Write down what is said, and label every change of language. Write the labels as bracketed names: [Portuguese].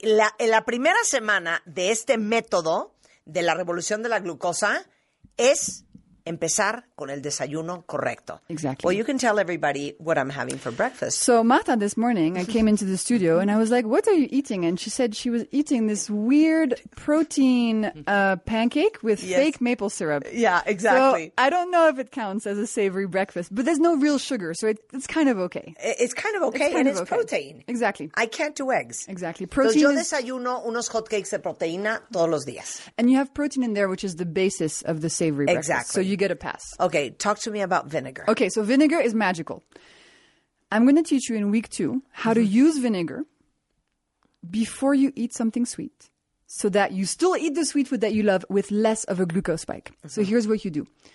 [Spanish] La primera semana de este método de La Revolución de la Glucosa es... empezar con el desayuno correcto. [English] Exactly. Well, you can tell everybody what I'm having for breakfast. So, Martha, this morning, I came into the studio and I was like, what are you eating? And she said she was eating this weird protein pancake with fake maple syrup. Yeah, exactly. So, I don't know if it counts as a savory breakfast, but there's no real sugar, so it's kind of okay. It's kind of okay. Protein. Exactly. I can't do eggs. Exactly. Protein. [Spanish] Entonces, yo desayuno unos hotcakes de proteína todos los días. [English] And you have protein in there, which is the basis of the savory breakfast. Exactly. So you get a pass. Okay, talk to me about vinegar. Okay, so vinegar is magical. I'm going to teach you in week two how to use vinegar before you eat something sweet so that you still eat the sweet food that you love with less of a glucose spike. Mm-hmm. So here's what you do.